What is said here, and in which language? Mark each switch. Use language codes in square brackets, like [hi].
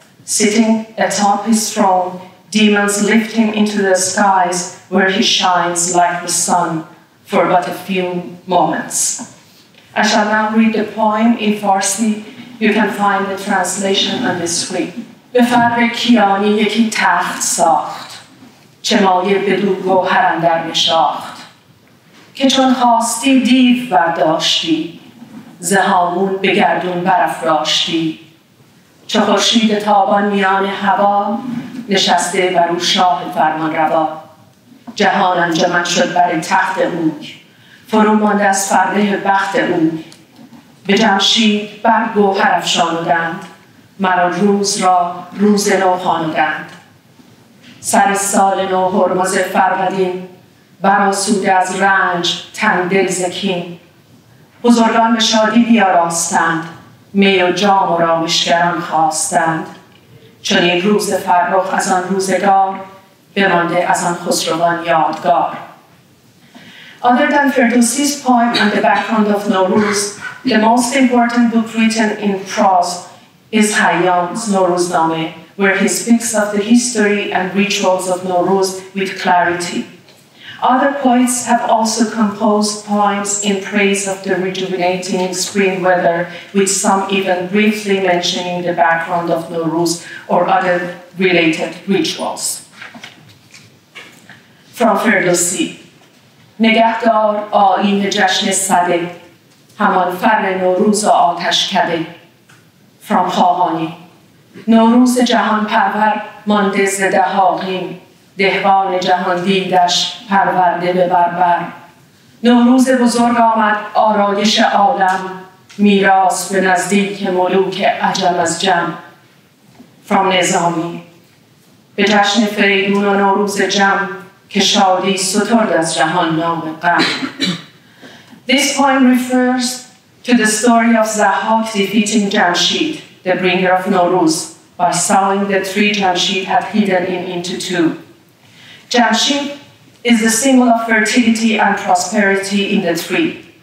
[en] Sitting atop his throne, demons lift him into the skies where he shines like the sun for but a few moments. I shall now read the poem in Farsi. You can find the translation on the screen. [fa] به فر کیانی یکی تخت ساخت چه مایه بدو گوهر اندر نشاخت که چون خواستی دیو برداشتی ز هامون به گردون برافراشتی چه خورشید تابان میان هوا نشسته بر او شاه فرمان روا جهان انجمن شد بر تخت او فرو ماند از فره بخت او به جمشید بر گوهر افشاندند مرا روز را روز نو خواندند سر سال نو هرمز فرودین برآسوده از رنج تن دل زکین بزرگان به شادی بیاراستند می و جام و رامشگران خواستند چون این روز فرخ از آن روزگار بمانده از آن خسروان یادگار. [en] Other than Ferdowsi's poem on the background of Norooz, the most important book written in prose is Hayyam's Norooznameh, where he speaks of the history and rituals of Norooz with clarity. Other poets have also composed poems in praise of the rejuvenating spring weather, with some even briefly mentioning the background of Norooz or other related rituals. From [fa] Ferdowsi, نگهدار آیین جشن صده همان فر نوروز و آتش کده. [en] From [fa] خواهانی نوروز جهان پرور مانده زده هاقیم دهوان جهان دیدش پرورده به بربر نوروز بزرگ آمد آرایش عالم میراث به نزدیک ملوک عجم از جم. [en] From [fa] نظامی به جشن فریدون و نوروز جم که شادی سترد از جهان نام قم. [en] This poem refers to the story of Zahak defeating Jamshid, the bringer of Norooz, by sowing the tree Jamshid had hidden him into two. Jamshid is the symbol of fertility and prosperity in the tree.